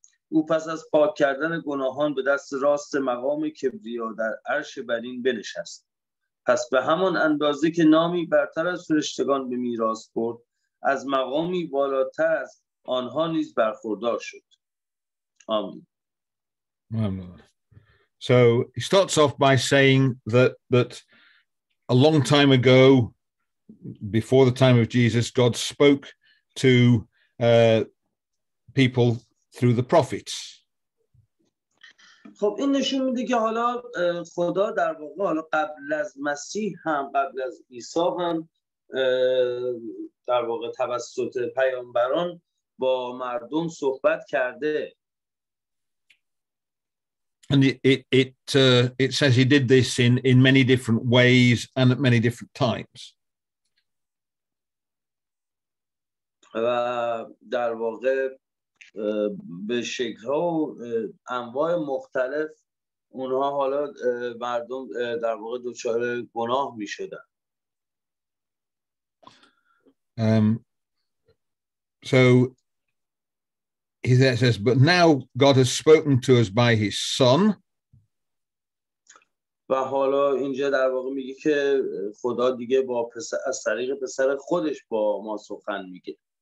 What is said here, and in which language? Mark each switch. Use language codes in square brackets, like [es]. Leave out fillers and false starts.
[fa] او پس از پاک کردن گناهان به دست راست مقام کبریا در عرش برین بنشست. پس به همان اندازه که نامی برتر از فرشتگان به میراث برد، از مقامی بالاتر از آنها نیز برخوردار شد. آمین. [en] So he starts off by saying that a long time ago, before the time of Jesus, God spoke to people through the prophets. [fa] خب این نشون میده که حالا خدا در واقع حالا قبل از مسیح هم، قبل از عیسی هم در واقع توسط پیامبران با مردم صحبت کرده. [en] And it says he did this in many different ways and at many different times. [fa] و در واقع به شکل‌ها و انواع مختلف اونها حالا مردم در واقع دچار گناه می‌شدن. [en] So he says, but now God has spoken to us by his son. [fa] و حالا اینجا در واقع میگه که خدا دیگه با پسر از طریق پسر خودش با ما سخن میگه.